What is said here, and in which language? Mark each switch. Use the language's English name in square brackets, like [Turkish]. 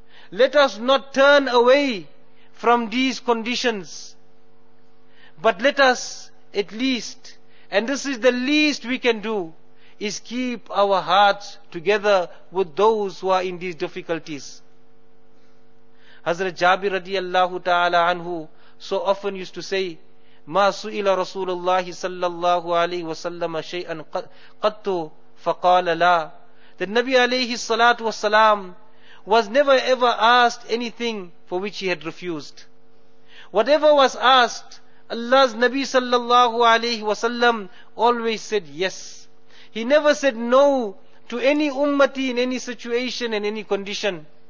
[English] Let us not turn away from these conditions, but let us at least And this is the least we can do, is keep our hearts together with those who are in these difficulties. [Arabic] Hazrat Jabir radiallahu ta'ala anhu [English] so often used to say, [Arabic] مَا سُئِلَ رَسُولُ اللَّهِ صَلَّى اللَّهُ عَلَيْهِ وَسَلَّمَ شَيْئًا قَطُّ فَقَالَ لَا. [English] That Nabi alayhi salatu wa salam was never ever asked anything for which he had refused. Whatever was asked, Allah's Nabi sallallahu alayhi wa sallam always said yes. He never said no to any ummati in any situation and any condition.